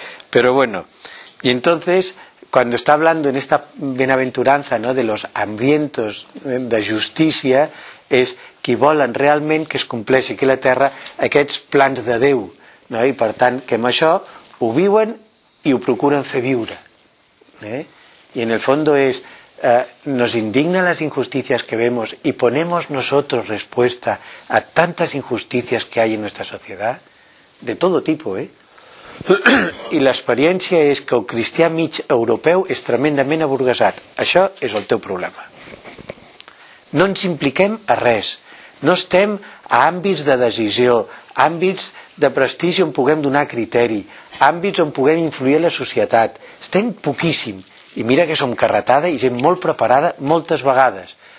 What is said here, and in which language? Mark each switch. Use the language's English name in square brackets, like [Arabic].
[Spanish] Però bueno, i entonces, cuando está hablando en esta benaventuranza, ¿no?, de los hambrientos de justícia, [Catalan] és qui volen realment que es compleixi aquí a la Terra aquests plans de Déu, [Spanish] no? [Catalan] I per tant, que amb això ho viuen i ho procuren fer viure. [Spanish] I en el fondo és, nos indignan las injusticias que vemos y ponemos nosotros respuesta a tantas injusticias que hay en nuestra sociedad, de todo tipo, Y la experiencia es que [Catalan] el cristià mig europeu [Spanish] es tremendamente [Catalan] aburguesat. Això és el teu problema. No ens impliquem a res. No estem a àmbits de decisió, àmbits de prestigi on puguem donar criteri, àmbits on puguem influir a la societat. Estem poquíssim. I mira que som carretada i gent molt preparada moltes vegades.